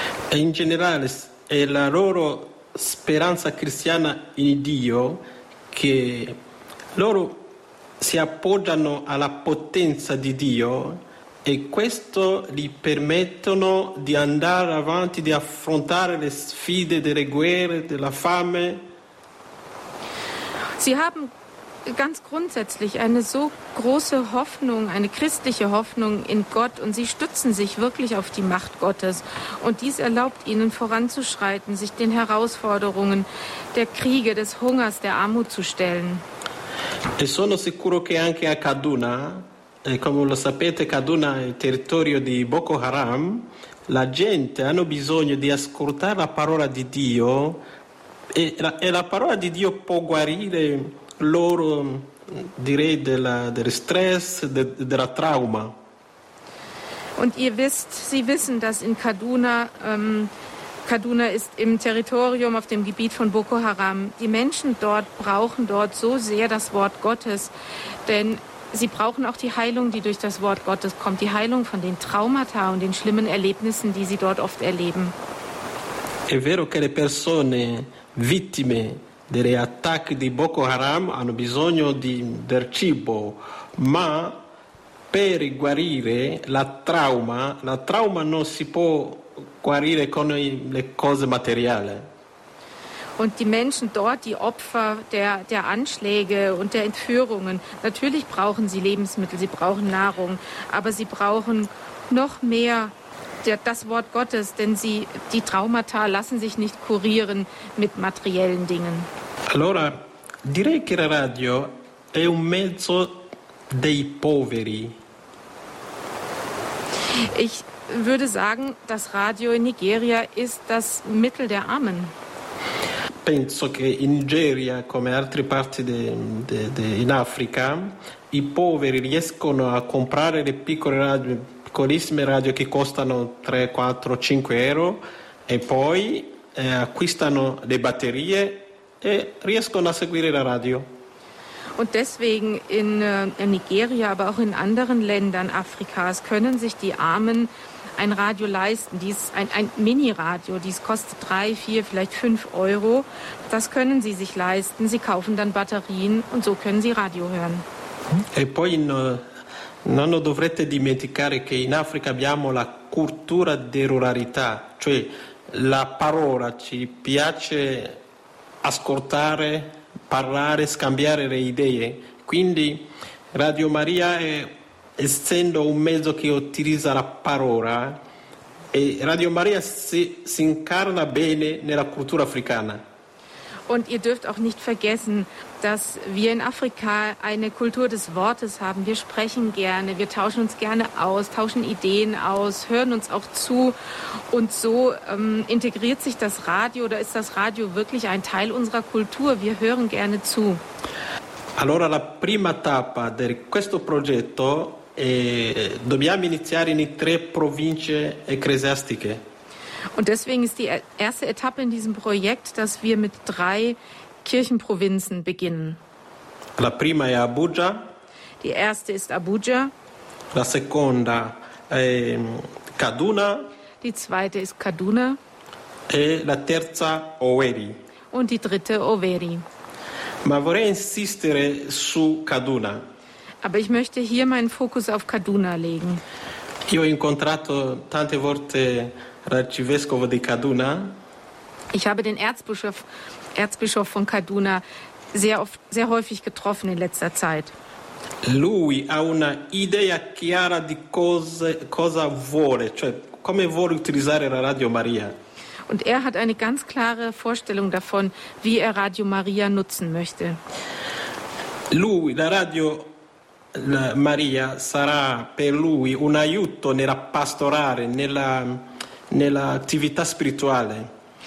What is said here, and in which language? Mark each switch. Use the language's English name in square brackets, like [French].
[Italian] In generale è la loro speranza cristiana in Dio che loro si appoggiano alla potenza di Dio e questo gli permettono di andare avanti, di affrontare le sfide delle guerre, della fame. [German] Sie haben ganz grundsätzlich eine so große Hoffnung, eine christliche Hoffnung in Gott und sie stützen sich wirklich auf die Macht Gottes und dies erlaubt ihnen voranzuschreiten, sich den Herausforderungen der Kriege, des Hungers, der Armut zu stellen. [Italian] E sono sicuro che anche a Kaduna, come lo sapete, Kaduna è il territorio di Boko Haram, la gente ha bisogno di ascoltare la parola di Dio e la parola di Dio può guarire loro, direi, del stress, della trauma. [German] Und ihr wisst, Sie wissen, dass in Kaduna, Kaduna ist im Territorium auf dem Gebiet von Boko Haram. Die Menschen dort brauchen dort so sehr das Wort Gottes, denn sie brauchen auch die Heilung, die durch das Wort Gottes kommt, die Heilung von den Traumata und den schlimmen Erlebnissen, die sie dort oft erleben. [Italian] È vero che le persone vittime delle attacchi di Boko Haram hanno bisogno del cibo, ma per guarire la trauma non si può guarire con le cose materiali. [German] Und die Menschen dort, die Opfer der Anschläge und der Entführungen, natürlich brauchen sie Lebensmittel, sie brauchen Nahrung, aber sie brauchen noch mehr das Wort Gottes, denn die Traumata lassen sich nicht kurieren mit materiellen Dingen. [Italian] Allora, direi che la radio è un mezzo dei poveri. [German] Ich würde sagen, das Radio in Nigeria ist das Mittel der Armen. [Italian] Penso che in Nigeria, come altre parti in Africa, i poveri riescono a comprare le piccole radio, piccolissime radio che costano 3, 4, 5 euro e poi acquistano le batterie e riescono a seguire la radio. [German] Und deswegen in Nigeria, aber auch in anderen Ländern Afrikas, können sich die Armen ein Radio leisten, dies ein Mini-Radio, dies kostet 3, 4, vielleicht 5 Euro. Das können sie sich leisten. Sie kaufen dann Batterien und so können sie Radio hören. [Italian] E poi non dovrete dimenticare che in Africa abbiamo la cultura della ruralità, cioè la parola ci piace ascoltare, parlare, scambiare le idee. Quindi Radio Maria, essendo un mezzo che utilizza la parola, e Radio Maria si incarna bene nella cultura africana. [German] Und ihr dürft auch nicht vergessen, dass wir in Afrika eine Kultur des Wortes haben. Wir sprechen gerne, wir tauschen uns gerne aus, tauschen Ideen aus, hören uns auch zu. Und so integriert sich das Radio oder ist das Radio wirklich ein Teil unserer Kultur. Wir hören gerne zu. [Italian] Allora, la prima tappa di questo progetto dobbiamo iniziare in tre province ecclesiastiche. [German] Und deswegen ist die erste Etappe in diesem Projekt, dass wir mit drei Kirchenprovinzen beginnen. [Italian] La prima è Abuja. [German] Die erste ist Abuja. [Italian] La seconda è Kaduna. [German] Die zweite ist Kaduna. [Italian] E la terza Oweri. [German] Und die dritte Oweri. [Italian] Ma vorrei insistere su Kaduna. [German] Aber ich möchte hier meinen Fokus auf Kaduna legen. [Italian] Io ho incontrato tante volte l'arcivescovo di Kaduna. [German] Ich habe den Erzbischof von Kaduna sehr häufig getroffen in letzter Zeit. [Italian] Lui ha una idea chiara di cosa vuole, cioè come vuole utilizzare la Radio Maria. [German] Und er hat eine ganz klare Vorstellung davon, wie er Radio Maria nutzen möchte. [Italian] Lui, la Radio Maria sarà per lui un aiuto nella pastorale, nell'attività spirituale.